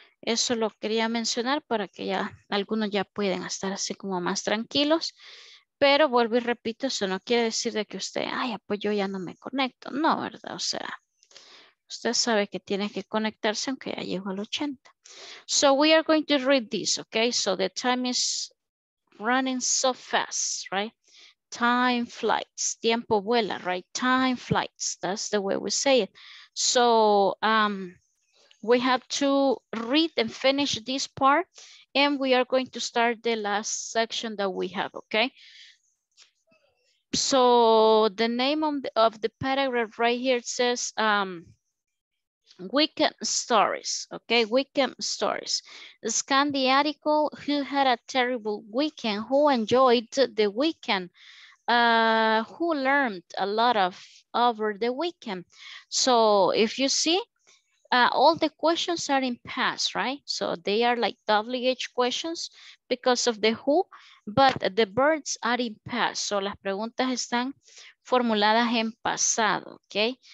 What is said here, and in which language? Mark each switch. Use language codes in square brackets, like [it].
[es] Eso lo quería mencionar para que ya algunos ya pueden estar así como más tranquilos. Pero vuelvo y repito, eso no quiere decir de que usted, ay, pues yo ya no me conecto. No, ¿verdad? O sea, usted sabe que tiene que conectarse aunque ya llegó al 80. [en] So we are going to read this, okay? So the time is running so fast, right? Time flies. [es] Tiempo vuela, [en] right? Time flies. That's the way we say it. So, we have to read and finish this part, and we are going to start the last section that we have, okay? So the name of the paragraph right here, it says weekend stories, okay? Weekend stories. Scan the article, who had a terrible weekend, who enjoyed the weekend, who learned a lot of over the weekend. So if you see, all the questions are in past, right? So they are like WH questions because of the who, but the verbs are in past. [es] So las preguntas están formuladas en pasado, okay?